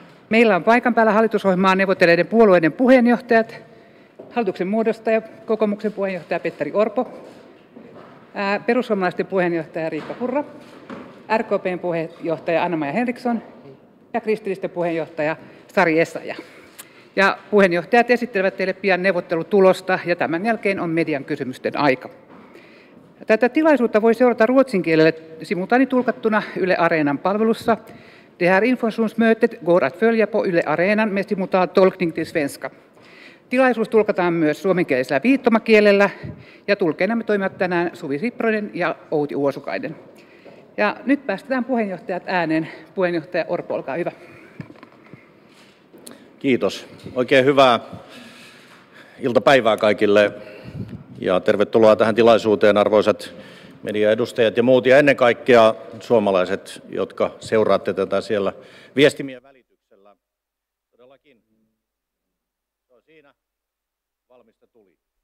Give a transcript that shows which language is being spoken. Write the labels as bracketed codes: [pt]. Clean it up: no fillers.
[fi] Meillä on paikan päällä hallitusohjelmaa neuvotteleiden puolueiden puheenjohtajat, hallituksen muodostaja, kokoomuksen puheenjohtaja Petteri Orpo, perussuomalaisten puheenjohtaja Riikka Purra, RKP:n puheenjohtaja Anna-Maja Henriksson ja kristillisten puheenjohtaja Sari Essayah. Ja puheenjohtajat esittelevät teille pian neuvottelutulosta ja tämän jälkeen on median kysymysten aika. Tätä tilaisuutta voi seurata ruotsin kielelle simultaanitulkattuna Yle Areenan palvelussa. [sv] Det här informationsmötet går att följa på Yle Areenan med simultan tolkning till svenska. [fi] Tilaisuus tulkataan myös suomenkielisellä viittomakielellä ja tulkeina me toimivat tänään Suvi Sipronen ja Outi Uosukainen. Ja nyt päästetään puheenjohtajat ääneen. Puheenjohtaja Orpo, olkaa hyvä. Kiitos. Oikein hyvää iltapäivää kaikille ja tervetuloa tähän tilaisuuteen, arvoisat mediaedustajat ja muut, ja ennen kaikkea suomalaiset, jotka seuraatte tätä siellä viestimien välityksellä. Todellakin. Se on siinä. Valmista tuli.